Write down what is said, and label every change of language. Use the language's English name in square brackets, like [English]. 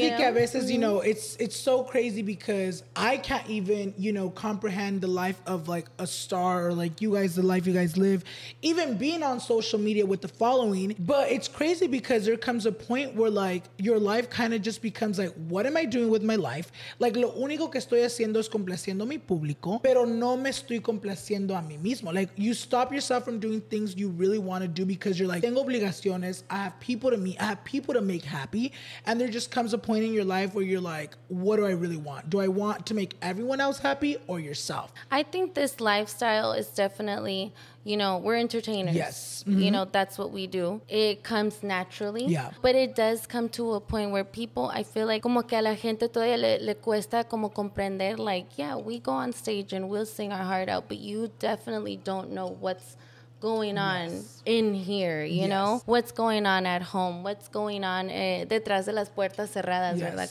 [English] Yeah. [Spanish] Que a veces, [English] you know, it's so crazy because I can't even, you know, comprehend the life of like a star or like you guys, the life you guys live. Even being on social media with the following. But it's crazy because there comes a point where like your life kind of just becomes like, what am I doing with my life? [Spanish] Like, lo único que estoy haciendo es complaciendo a mi público, pero no me estoy complaciendo a mí mismo. [English] Like, you stop yourself from doing things you really want to do because you're like, [Spanish] tengo obligaciones. [English] I have people to meet. Have people to make happy, and there just comes a point in your life where you're like, what do I really want? Do I want to make everyone else happy or yourself? I think this lifestyle is definitely, you know, we're entertainers. Yes. Mm-hmm. You know, that's what we do. It comes naturally. Yeah. But it does come to a point where people, I feel like, [Spanish] como que a la gente todavía le cuesta como comprender, [English] like, yeah, we go on stage and we'll sing our heart out, but you definitely don't know what's going on in here, you know? What's going on at home? What's going on [Spanish] detrás de las puertas cerradas, ¿verdad?